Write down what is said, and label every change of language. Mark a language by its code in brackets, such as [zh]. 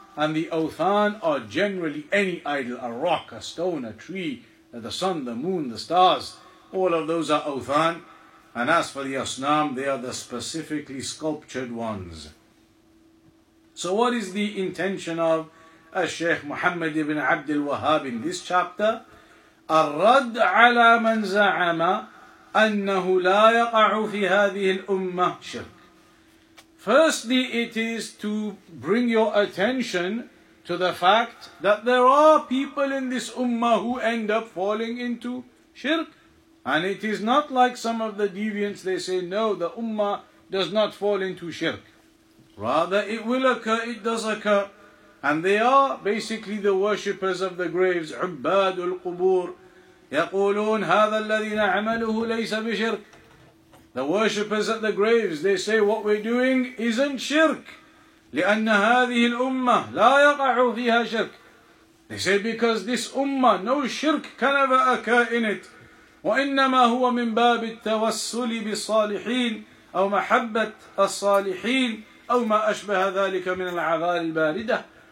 [en] And the Othan are generally any idol, a rock, a stone, a tree, the sun, the moon, the stars. All of those are Othan. And as for the Asnam, they are the specifically sculptured ones. So what is the intention of Al-Shaykh Muhammad ibn Abdul Wahhab in this chapter? [ar] الرد على من زعم أنه لا يقع في هذه الأمة شرك. [en] Firstly, it is to bring your attention to the fact that there are people in this ummah who end up falling into shirk. And it is not like some of the deviants, they say, no, the ummah does not fall into shirk. Rather, it will occur, it does occur. And they are basically the worshippers of the graves, [ar] عباد القبور. يقولون هذا الذي نعمله ليس بشرك. [en] The worshippers at the graves, they say, what we're doing isn't shirk. [ar] لِأَنَّ هَذِهِ الْأُمَّةِ لَا يَقَعُ فِيهَا شِرْكٌ. [en] They say, because this ummah, no shirk can ever occur in it. [ar] وَإِنَّمَا هُوَ مِنْ بَابِ التَّوَسُّلِ بِالصَّالِحِينَ أَوْ مَحَبَّةِ الصَّالِحِينَ أَوْ مَا أَشْبَهَ ذَلِكَ مِنَ الْعَذَالِ الْبَارِدَةِ.